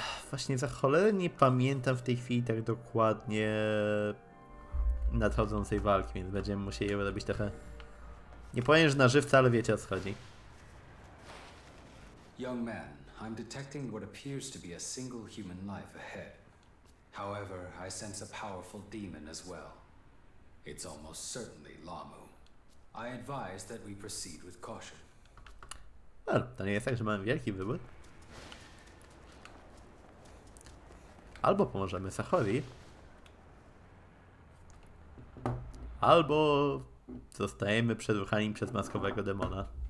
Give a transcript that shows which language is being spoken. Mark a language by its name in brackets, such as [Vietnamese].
[Polish] Właśnie za cholerę nie pamiętam w tej chwili tak dokładnie nadchodzącej walki, więc będziemy musieli ją robić trochę... Nie powiem, że na żywca, ale wiecie o co chodzi. [English] Young man, I'm detecting what appears to be a single human life ahead. However, I sense a powerful demon as well. It's almost certainly Lamu. I advise that we proceed with caution. [Polish] No, to nie jest tak, że mamy wielki wybór. Albo pomożemy Sachowi. Albo zostajemy przeduchani przez maskowego demona.